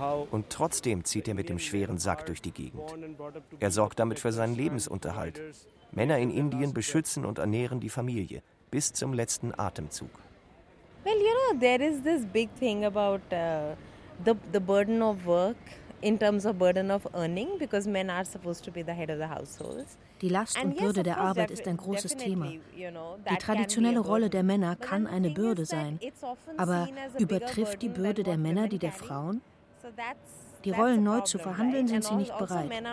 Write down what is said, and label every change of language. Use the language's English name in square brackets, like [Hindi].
[German] Und trotzdem zieht er mit dem schweren Sack durch die Gegend. Er sorgt damit für seinen Lebensunterhalt. Männer in Indien beschützen und ernähren die Familie bis zum letzten Atemzug. [English] Well, you know, there is this big thing about the burden of work. In terms of burden of earning, because men are supposed to be the head of the households. [German] Die Last und Bürde der Arbeit ist ein großes Thema. Die traditionelle Rolle der Männer kann eine Bürde sein, aber übertrifft die Bürde der Männer die der Frauen? Die Rollen neu zu verhandeln, sind sie nicht bereit.